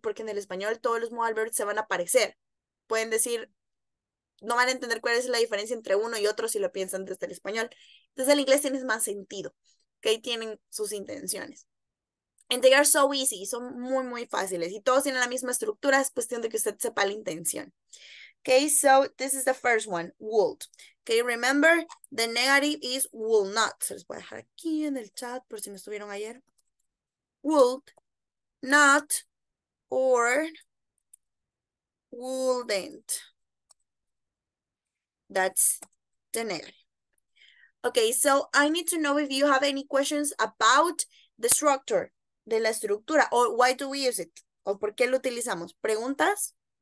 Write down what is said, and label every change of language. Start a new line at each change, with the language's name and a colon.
Spanish: Porque en el español todos los modal verbs se van a aparecer. Pueden decir, no van a entender cuál es la diferencia entre uno y otro si lo piensan desde el español. Desde el inglés tienes más sentido, ¿ok? Tienen sus intenciones.
English: And they are so easy,
Spanish: son muy, muy fáciles. Y todos tienen la misma estructura, es cuestión de que usted sepa la intención.
English: Okay, so this is the first one, would. Okay, remember, the negative is will not.
Spanish: Se los voy a dejar aquí en el chat por si no estuvieron ayer.
English: Would not or wouldn't. That's the negative. Okay, so I need to know if you have any questions about the structure,
Spanish: de la estructura,
English: or why do we use it,
Spanish: o por qué lo utilizamos. ¿Preguntas?